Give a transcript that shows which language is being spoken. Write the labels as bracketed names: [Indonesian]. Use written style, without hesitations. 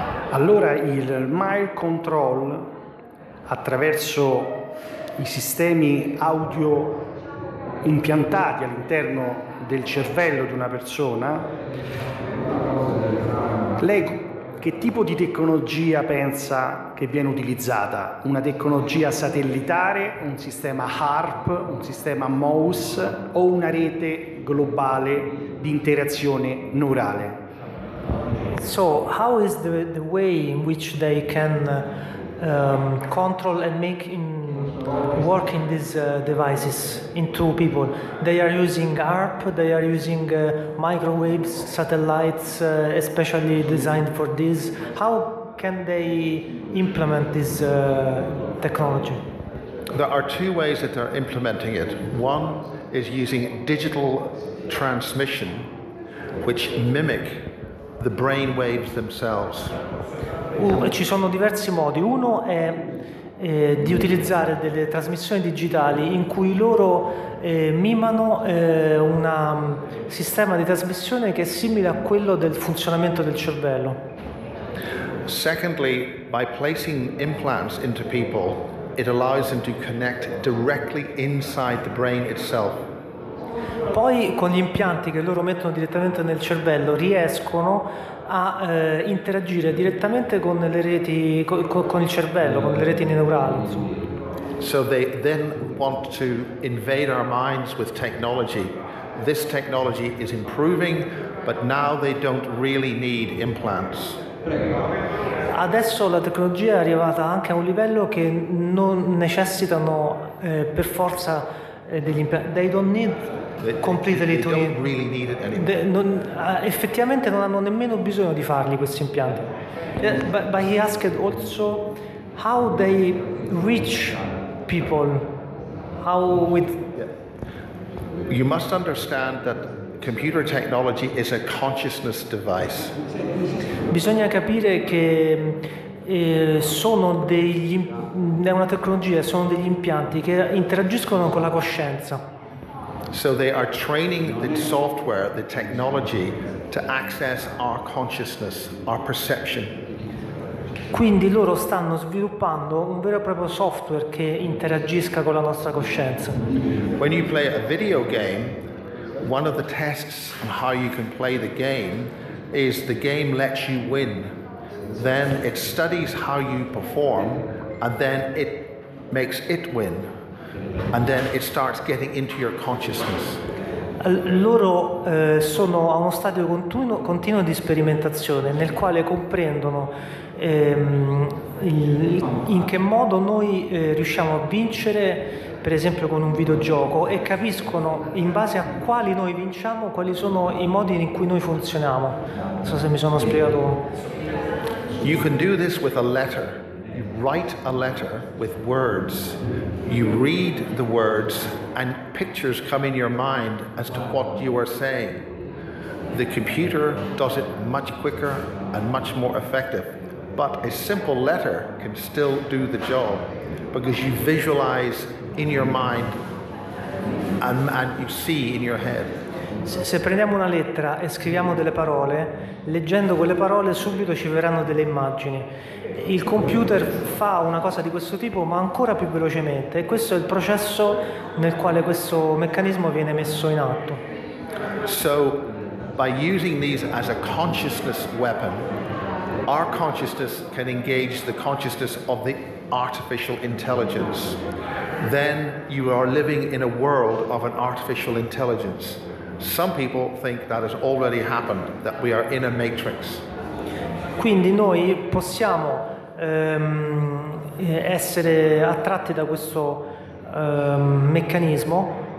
[Italian] Allora il mind control attraverso i sistemi audio impiantati all'interno del cervello di una persona, lei che tipo di tecnologia pensa che viene utilizzata? Una tecnologia satellitare, un sistema HARP, un sistema MOS o una rete globale di interazione neurale? [English] So, how is the way in which they can control and make working these devices into people. They are using ARP, they are using microwaves, satellites, especially designed for this. How can they implement this technology? There are two ways that they're implementing it. One is using digital transmission, which mimic the brain waves themselves. [Italian] Ci sono diversi modi. Uno è di utilizzare delle trasmissioni digitali in cui loro mimano un sistema di trasmissione che è simile a quello del funzionamento del cervello. [English] Secondly, by placing implants into people, it allows them to connect directly inside the brain itself. [Italian] Poi con gli impianti che loro mettono direttamente nel cervello riescono a interagire direttamente con le reti con il cervello, con le reti neurali. [English] So they then want to invade our minds with technology. This technology is improving, but now they don't really need implants. [Italian] Adesso la tecnologia è arrivata anche a un livello che non necessitano per forza degli implanti. [English] They don't need completely to really need it anymore. [Italian] Effettivamente non hanno nemmeno bisogno di farli questi impianti. [English] But he asked also how they reach people. How with You must understand that computer technology is a consciousness device. [Italian] Bisogna capire che è una tecnologia, sono degli impianti che interagiscono con la coscienza. [English] So they are training the software, the technology, to access our consciousness, our perception. [Italian] Quindi loro stanno sviluppando un vero e proprio software che interagisca con la nostra coscienza. [English] When you play a video game, one of the tests on how you can play the game is the game lets you win. Then it studies how you perform, and then it makes it win. And then it starts getting into your consciousness. [Italian] Loro sono a uno stadio continuo di sperimentazione nel quale comprendono in che modo noi riusciamo a vincere, per esempio con un videogioco, e capiscono in base a quali noi vinciamo, quali sono i modi in cui noi funzioniamo. Non so se mi sono spiegato. [English] You can do this with a letter. You write a letter with words. You read the words and pictures come in your mind as to what you are saying. The computer does it much quicker and much more effective. But a simple letter can still do the job because you visualize in your mind and you see in your head. [Italian] Se prendiamo una lettera e scriviamo delle parole, leggendo quelle parole subito ci verranno delle immagini. Il computer fa una cosa di questo tipo, ma ancora più velocemente, e questo è il processo nel quale questo meccanismo viene messo in atto. [English] So, by using these as a consciousness weapon, our consciousness can engage the consciousness of the artificial intelligence. Then you are living in a world of an artificial intelligence. Some people think that has already happened, that we are in a matrix. [Italian] Quindi noi possiamo essere attratti da questo meccanismo.